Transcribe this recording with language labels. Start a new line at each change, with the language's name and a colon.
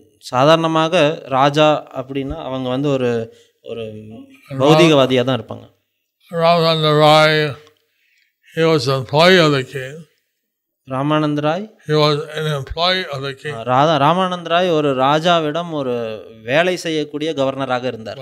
Tamil: சாதாரணமாக ராஜா அப்படின்னா அவங்க வந்து ஒரு ஒரு பௌதிகவாதியாக தான் இருப்பாங்க.
English: Ramananda Rai, he was an employee of the king. Ramananda Rai? He was an employee of the king.
Tamil: Ramananda Rai ஒரு ராஜாவிடம் ஒரு வேலை செய்யக்கூடிய கவர்னராக இருந்தார்.